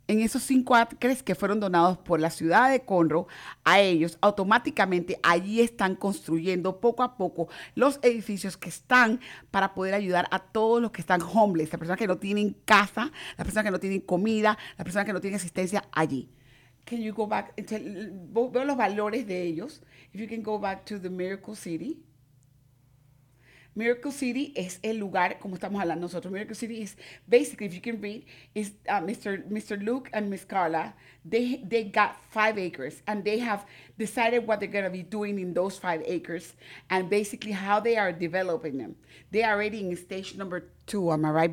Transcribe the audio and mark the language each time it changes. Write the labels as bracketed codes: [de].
[es] En esos 5 acres que fueron donados por la ciudad de Conroe a ellos, automáticamente allí están construyendo poco a poco los edificios que están para poder ayudar a todos los que están homeless, las personas que no tienen casa, las personas que no tienen comida, las personas que no tienen asistencia allí. [en] Can you go back? [es] Veo los valores de ellos. [en] If you can go back to the Miracle City. [es] Miracle City es el lugar, como estamos hablando nosotros. [en] Miracle City is basically, if you can read, is Mr. Luke and Miss Carla. They got 5 acres and they have decided what they're going to be doing in those 5 acres and basically how they are developing them. They are already in stage number 2, am I right?